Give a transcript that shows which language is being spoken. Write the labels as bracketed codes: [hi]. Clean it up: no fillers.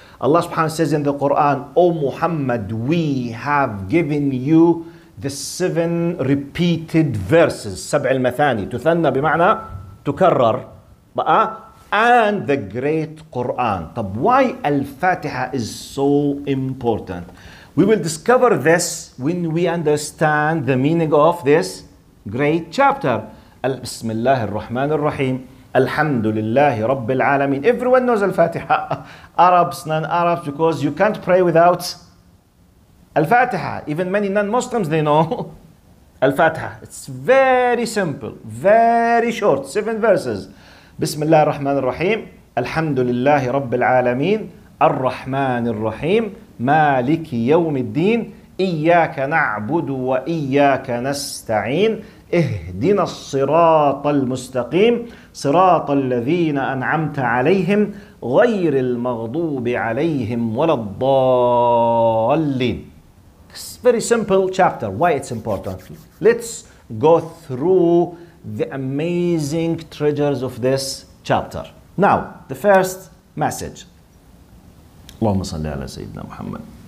[en] Allah subhanahu wa ta'ala says in the Quran, O Muhammad, we have given you the seven repeated verses, [ar] سبع المثاني, تثنى بمعنى تكرر بقى [en] and the great Quran. طب why Al-Fatiha is so important? We will discover this when we understand the meaning of this great chapter. [ar] بسم الله الرحمن الرحيم الحمد لله رب العالمين. [en] Everyone knows Al-Fatiha. Arabs, non-Arabs, because you can't pray without Al-Fatiha. Even many non-Muslims, they know Al-Fatiha. It's very simple, very short, 7 verses. [ar] بسم الله الرحمن الرحيم الحمد لله رب العالمين الرحمن الرحيم مالك يوم الدين إياك نعبد وإياك نستعين اهدنا الصراط المستقيم صراط الذين أنعمت عليهم غير المغضوب عليهم ولا الضالين. [en] It's very simple chapter. Why it's important? Let's go through the amazing treasures of this chapter. Now, the first message. [ar] اللهم صل على سيدنا محمد.